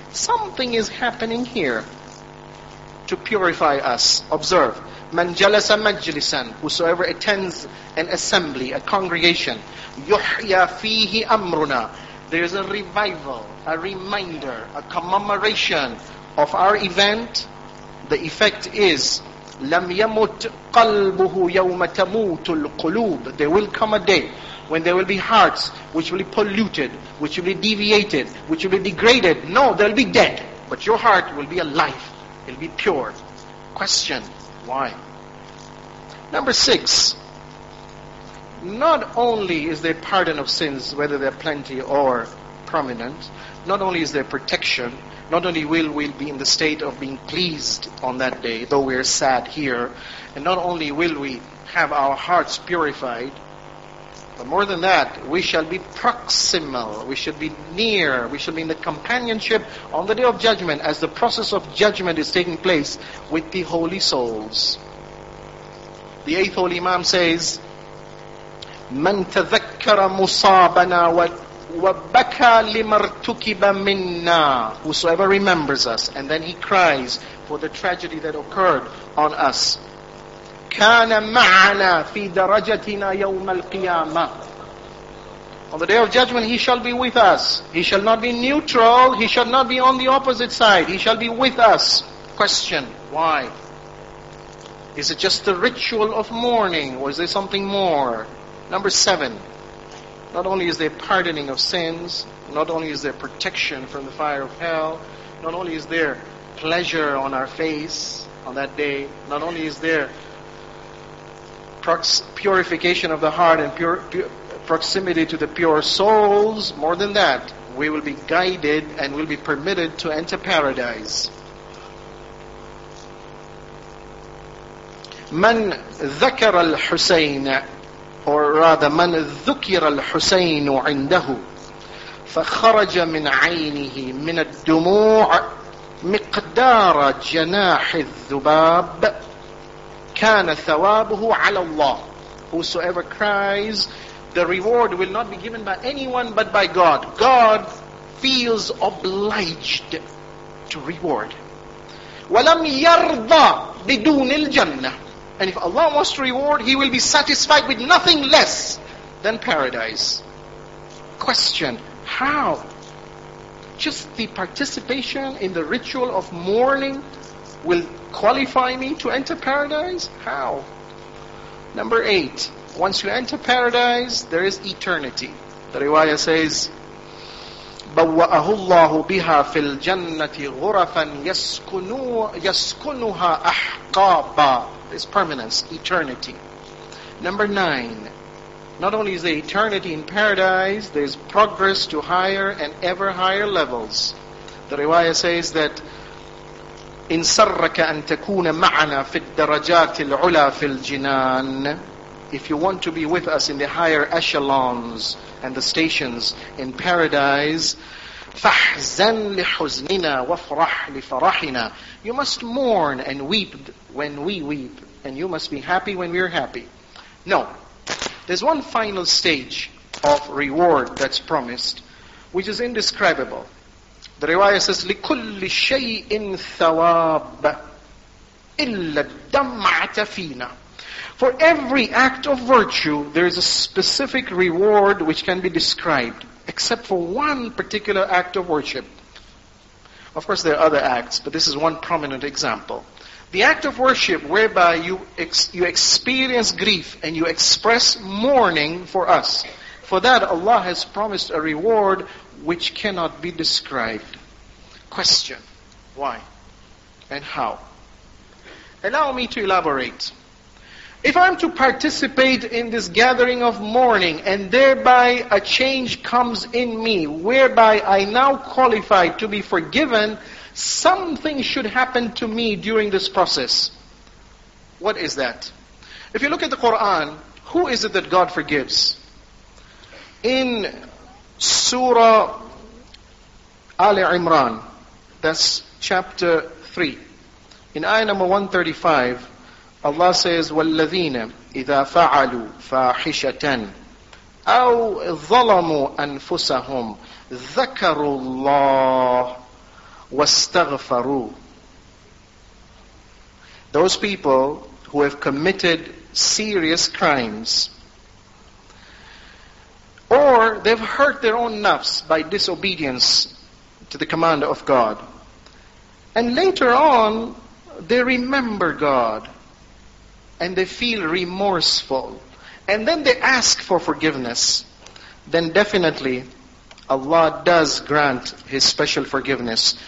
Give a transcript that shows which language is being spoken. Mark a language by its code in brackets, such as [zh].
[en] Something is happening here to purify us. Observe. [ar] من جلس مجلسا, [en] whosoever attends an assembly, a congregation, [ar] يحيى فيه أمرنا. [en] There is a revival, a reminder, a commemoration of our event. The effect is, [ar] لم يمت قلبه يوم تموت القلوب. [en] There will come a day when there will be hearts which will be polluted, which will be deviated, which will be degraded. No, they'll be dead. But your heart will be alive. It'll be pure. Question, why? Number six, not only is there pardon of sins, whether they're plenty or prominent, not only is there protection, not only will we be in the state of being pleased on that day, though we're sad here, and not only will we have our hearts purified, but more than that, we shall be proximal, we should be near, we shall be in the companionship on the day of judgment as the process of judgment is taking place with the holy souls. The eighth holy Imam says, [ar] من تذكر مصابنا وبكى لما ارتكب منا. [en] Whosoever remembers us, and then he cries for the tragedy that occurred on us. [ar] كان معنا في درجتنا يوم القيامة. [en] On the day of judgment, he shall be with us. He shall not be neutral. He shall not be on the opposite side. He shall be with us. Question, why? Is it just the ritual of mourning? Or is there something more? Number seven, not only is there pardoning of sins, not only is there protection from the fire of hell, not only is there pleasure on our face on that day, not only is there purification of the heart and proximity to the pure souls, more than that, we will be guided and will be permitted to enter paradise. [ar] من ذكر الحسين, [en] or rather, [ar] من ذكر الحسين عنده فخرج من عينه من الدموع مقدار جناح الذباب كان ثوابه على الله. [en] Whosoever cries, the reward will not be given by anyone but by God. God feels obliged to reward. [ar] ولم يرضى بدون الجنة. [en] And if Allah wants to reward, He will be satisfied with nothing less than paradise. Question, how? Just the participation in the ritual of mourning will qualify me to enter paradise? How? Number eight, once you enter paradise, there is eternity. The riwayah says, [ar] بَوَّأَهُ اللَّهُ بِهَا فِي الْجَنَّةِ غُرَفًا يَسْكُنُهَا أَحْقَابًا. [en] This permanence, eternity. Number nine, not only is there eternity in paradise, there is progress to higher and ever higher levels. The riwayah says that, [ar] إِنْ سَرَّكَ أَن تَكُونَ مَعَنَا فِي الدَّرَجَاتِ الْعُلَى فِي الْجِنَانِ. [en] If you want to be with us in the higher echelons and the stations in paradise, [ar] فَحْزَنْ لِحُزْنِنَا وَفْرَحْ لِفَرَحِنَا. [en] You must mourn and weep when we weep, and you must be happy when we are happy. No, there's one final stage of reward that's promised, which is indescribable. The riwayah says, [ar] لِكُلِّ شَيْءٍ ثَوَابٍ إِلَّا الدَّمْعَةَ فِينَا. [en] For every act of virtue, there is a specific reward which can be described, except for one particular act of worship. Of course, there are other acts, but this is one prominent example. The act of worship whereby you experience grief and you express mourning for us, for that Allah has promised a reward which cannot be described. Question, why and how? Allow me to elaborate. If I'm to participate in this gathering of mourning and thereby a change comes in me, whereby I now qualify to be forgiven, something should happen to me during this process. What is that? If you look at the Quran, who is it that God forgives? In Surah Ali Imran, that's chapter 3. In ayah number 135, Allah says, [ar] وَالَّذِينَ إِذَا فَعَلُوا فَاحِشَةً أَوْ ظَلَمُوا أَنفُسَهُمْ ذَكَرُوا اللَّهُ وَاسْتَغْفَرُوا. [en] Those people who have committed serious crimes, or they've hurt their own nafs by disobedience to the commander of God. And later on, they remember God and they feel remorseful, and then they ask for forgiveness, then definitely Allah does grant His special forgiveness.